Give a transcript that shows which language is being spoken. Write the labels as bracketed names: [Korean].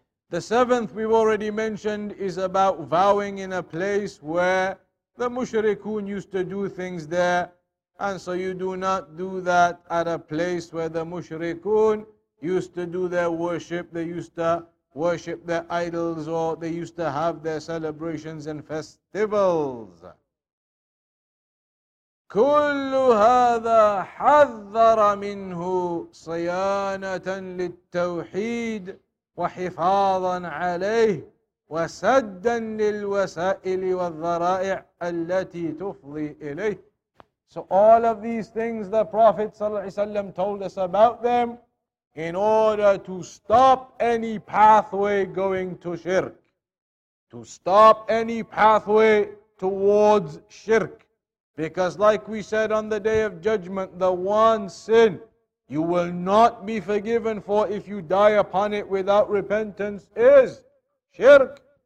[English] The seventh we've already mentioned is about vowing in a place where the mushrikun used to do things there. And so you do not do that at a place where the mushrikun used to do their worship. They used to worship their idols or they used to have their celebrations and festivals. [Arabic] كل هذا حذر منه صيانة للتوحيد وحفاظا عليه وسدا للوسائل والذرائع التي تفضي إليه. [English] So all of these things the Prophet صلى الله عليه وسلم told us about them in order to stop any pathway going to shirk, to stop any pathway towards shirk. Because like we said on the Day of Judgment, the one sin you will not be forgiven for if you die upon it without repentance is shirk.